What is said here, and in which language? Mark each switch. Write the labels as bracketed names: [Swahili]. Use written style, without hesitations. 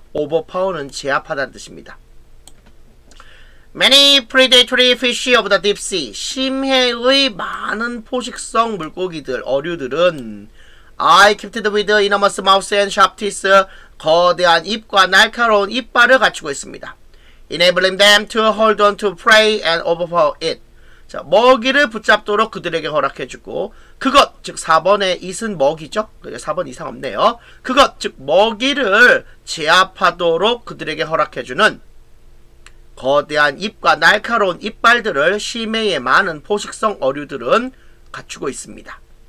[English] Overpower는 [Korean] 제압하다는 뜻입니다. [English] Many predatory fish of the deep sea. [Korean] 심해의 많은 포식성 물고기들, 어류들은 [English] I kept it with enormous mouth and sharp teeth. [Korean] 거대한 입과 날카로운 이빨을 갖추고 있습니다. [English] Enabling them to hold on to prey and overpower it. [Korean] 자, 먹이를 붙잡도록 그들에게 허락해주고 그것, 즉 4번의 it은 먹이죠. 4번 이상 없네요. 그것, 즉 먹이를 제압하도록 그들에게 허락해주는 거대한 입과 날카로운 이빨들을 심해의 많은 포식성 어류들은 갖추고 있습니다.